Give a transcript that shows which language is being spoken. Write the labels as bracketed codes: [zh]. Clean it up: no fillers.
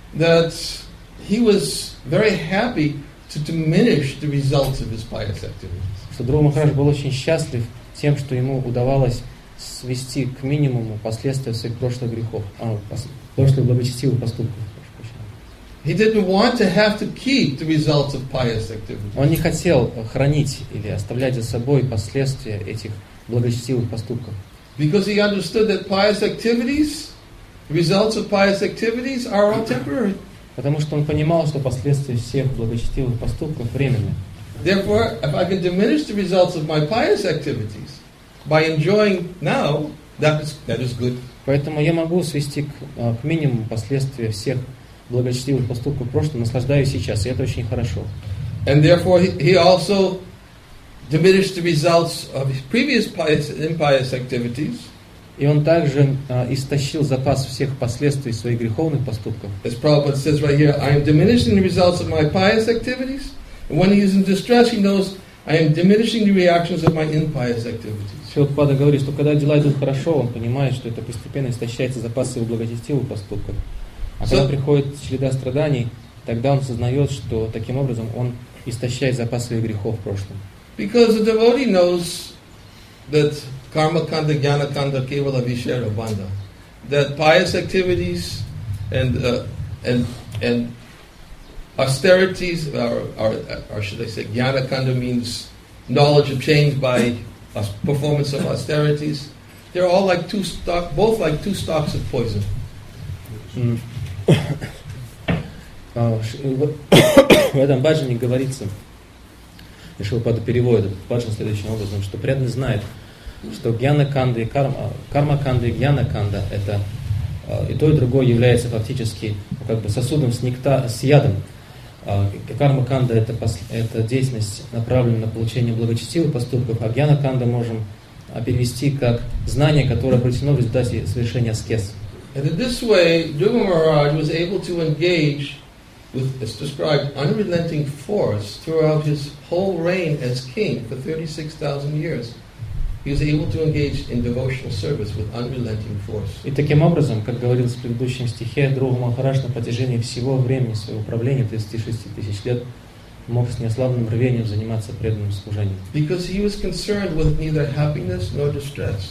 [en] That he was very happy to diminish the results of his pious activities. [ru] Что Дхрува Махарадж был очень счастлив тем, что ему удавалось свести к минимуму последствия своих прошлых грехов, прошлых благочестивых поступков. [en] He didn't want to have to keep the results of pious activities. [ru] Он не хотел хранить или оставлять за собой последствия этих благочестивых поступков. [en] Because he understood that pious activities, results of pious activities are all temporary. [ru] Потому что он понимал, что последствия всех благочестивых поступков временны. [en] Therefore, if I can diminish the results of my pious activities by enjoying now, that is good. [ru] Поэтому я могу свести к минимуму последствия всех благочестивых поступков прошлого, наслаждаюсь сейчас, и это очень хорошо. [en] And therefore, he also diminished the results of his previous pious and impious activities. [ru] И он также истощил запас всех последствий своих греховных поступков. [en] As Prabhupada says right here, I am diminishing the results of my pious activities. When he is in distress, he knows I am diminishing the reactions of my impious activities. [ru] Шилпада говорит, что когда дела идут хорошо, он понимает, что это постепенно истощается запас его благочестивых поступков. А когда приходит череда страданий, тогда он сознает, что таким образом он истощает запас своих грехов в прошлом. [en] Because the devotee knows that karma kanda, jnana kanda, kevala vishara bandha, that pious activities and austerities, or should I say, jnana kanda means knowledge obtained by performance of austerities. They're all like two stalks, both like two stalks of poison. [ru] В этом баджане говорится, решил под перевод баджан следующим образом, что преданный знает, что jnana kanda и karma kanda и jnana kanda это и то и другое является фактически как бы сосудом с нектаром, с ядом. Карма-канда это деятельность, направленная на получение благочестивых поступков, а гьяна-канда можем перевести как знание, которое обретено в результате совершения аскез. [en] And in this way, Dhruva Maharaj was able to engage with, as described, unrelenting force throughout his whole reign as king for 36,000 years. He was able to engage in devotional service with unrelenting force. [ru] И таким образом, как говорилось в предыдущем стихе, Дхрува Махарадж на протяжении всего времени своего правления, 36 тысяч лет, мог с неослабным рвением заниматься преданным служением. [en] Because he was concerned with neither happiness nor distress.